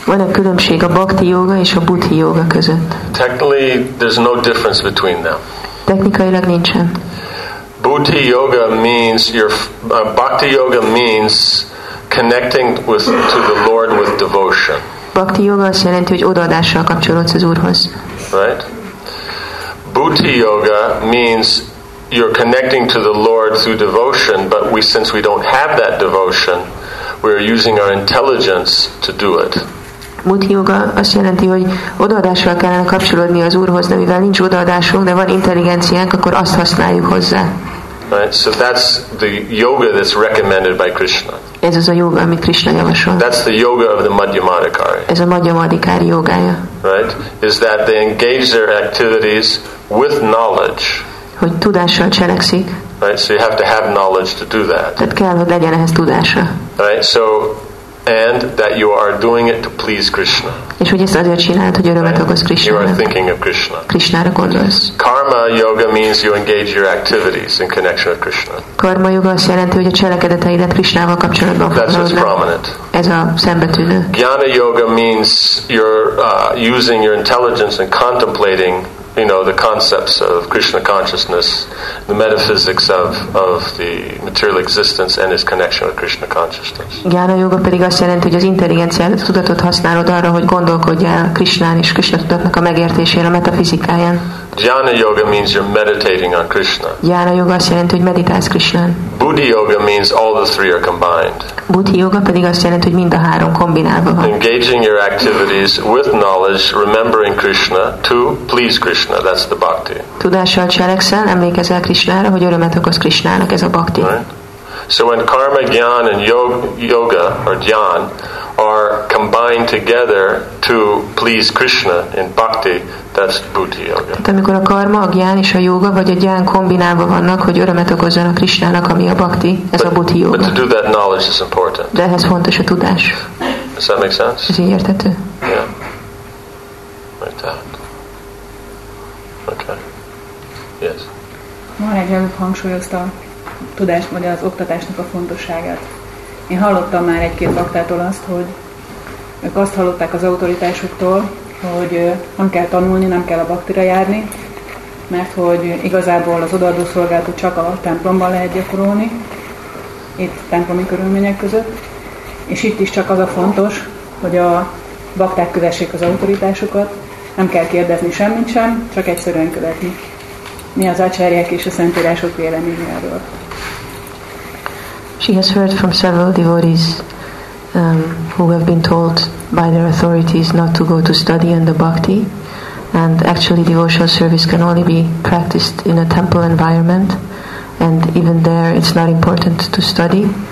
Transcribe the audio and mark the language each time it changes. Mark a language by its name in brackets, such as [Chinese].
[Hungarian] Van a különbség a bhakti yoga és a buddhi yoga között? [English] Technically, there's no difference between them. [Hungarian] Technikailag nincsen. [English] Buddhi yoga means bhakti yoga means connecting to the Lord with devotion. [Hungarian] Bhakti yoga azt jelenti, hogy odaadással kapcsolódsz az Úrhoz. [English] Right. Bhuti yoga means you're connecting to the Lord through devotion, but since we don't have that devotion, we are using our intelligence to do it. [Hungarian] Bhuti yoga azt jelenti, hogy odaadással kellene kapcsolódni az Úrhoz, de mivel nincs odaadásunk, de van intelligenciánk, akkor azt használjuk hozzá. [English] Right? So that's the yoga that's recommended by Krishna. [Hungarian] Ez az a yoga, amit Krishna javasol. [English] That's the yoga of the Madhyamadikari. [Hungarian] Ez a Madhyamadikari yogája. [English] Right? Is that they engage their activities with knowledge. [Hungarian] Hogy tudással cselekszik. [English] Right? So you have to have knowledge to do that. [Hungarian] Tehát kell, hogy legyen ehhez tudása. [English] Right? So and that you are doing it to please Krishna. [Hungarian] És hogy ezt azért csinálod, hogy örömet okoz Krishnának. [English] You are thinking of Krishna. [Hungarian] Krishnára gondolsz. [English] Karma yoga means you engage your activities in connection with Krishna. [Hungarian] Karma yoga azt jelenti, hogy a cselekedeteidet Krishnával kapcsolatban fogod. [English] That's what's prominent. [Hungarian] Ez a szembetűnő. [English] Jnana yoga means you're using your intelligence and contemplating, you know, the concepts of Krishna consciousness, the metaphysics of the material existence and its connection with Krishna consciousness. [Hungarian] Jnana yoga pedig azt jelenti, hogy az intelligenciát, a tudatot használod arra, hogy gondolkodjál Krishnán és Krishna tudatnak a megértésére, a metafizikáján. [English] Jnana yoga means you're meditating on Krishna. [Hungarian] Jnana yoga azt jelenti, hogy meditálsz Krishnán. [English] Buddhi yoga means all the three are combined. [Hungarian] Buddhi yoga pedig azt jelenti, hogy mind a három kombinálva van. [English] Engaging your activities with knowledge, remembering Krishna, to please Krishna, that's the bhakti. [Hungarian] Tudással cselekszel, emlékezel Krishnára, hogy örömet okoz Krishnának, ez a bhakti. [English] Right? So when karma, jnana and yoga or jnana are combined together to please Krishna in bhakti, that's buddhi yoga. [Hungarian] Tehát amikor a karma, a jnana és a yoga vagy a jnana kombinálva vannak, hogy örömet okozzanak Krishnának, ami a bhakti, ez [English] but, [Hungarian] a buddhi yoga. [English] But to do that knowledge is important. [Hungarian] De ehhez fontos a tudás. [English] Does that make sense? [Hungarian] Ez így értető? [English] Yeah. Like that. Okay. Yes. [Hungarian] Marek előbb hangsúlyozta tudást, vagy az oktatásnak a fontosságát. Én hallottam már egy-két baktától azt, hogy ők azt hallották az autoritásuktól, hogy nem kell tanulni, nem kell a baktira járni, mert hogy igazából az odaadó szolgálatot csak a templomban lehet gyakorolni, itt templomi körülmények között, és itt is csak az a fontos, hogy a bakták kövessék az autoritásukat, nem kell kérdezni semmit sem, csak egyszerűen követni. Mi az acsárják és a szentírások véleményéről? [English] She has heard from several devotees who have been told by their authorities not to go to study in the bhakti, and actually devotional service can only be practiced in a temple environment, and even there it's not important to study.